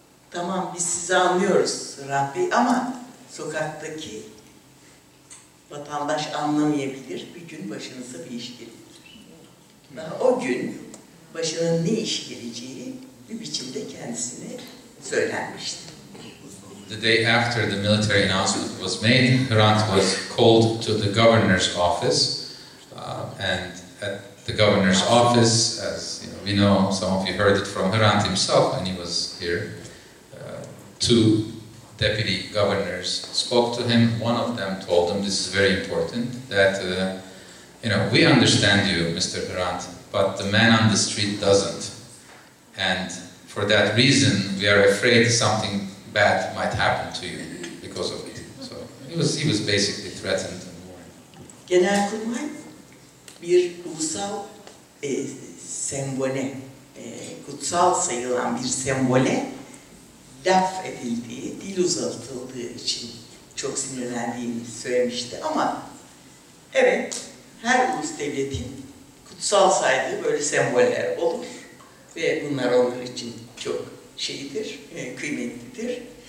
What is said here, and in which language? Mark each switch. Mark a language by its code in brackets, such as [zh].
[tr] Tamam biz sizi anlıyoruz Hrant Bey ama sokaktaki vatandaş anlamayabilir, bir gün başınıza bir iş gelebilir. Daha o gün başının ne iş geleceği bir biçimde kendisine söylenmişti. [en] The day after the military announcement was made, Hrant was called to the governor's office. And at the governor's office, as you know, we know, some of you heard it from Hrant himself when he was here, two deputy governors spoke to him. One of them told him, this is very important, that, you know, we understand you, Mr. Hrant, but the man on the street doesn't. And for that reason, we are afraid something bad might happen to you because of it. So he was basically threatened and warned. [tr] Genelkurmay bir ulusal sembole, kutsal sayılan bir sembole laf edildiği, dil uzatıldığı için çok sinirlendiğini söylemişti ama evet, her ulus devletin kutsal saydığı böyle semboller olur ve bunlar onlar için çok şeydir, kıymetlidir.